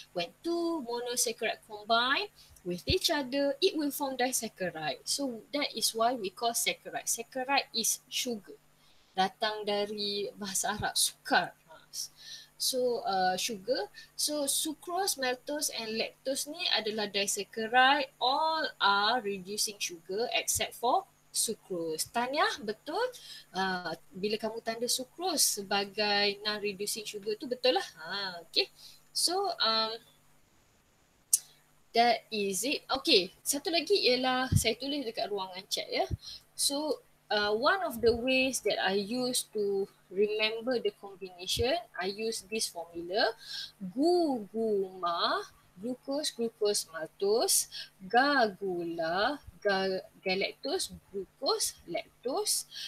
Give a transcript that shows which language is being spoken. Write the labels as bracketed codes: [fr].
[en] When two monosaccharide combine with each other, it will form disaccharide. So that is why we call saccharide. Saccharide is sugar. [ms] Datang dari bahasa Arab, sukar. So sugar, so sucrose, maltose and lactose ni adalah disaccharide. [en] All are reducing sugar except for sucrose. [ms] Tanya betul, bila kamu tanda sucrose sebagai non reducing sugar tu betul lah. [en] Ha, okay, so that is it. [ms] Okay, satu lagi ialah saya tulis dekat ruangan chat ya. [en] So one of the ways that I use to remember the combination, I use this formula. Guma, glucose, glucose, maltose. Gagula, galactose, glucose, lactose.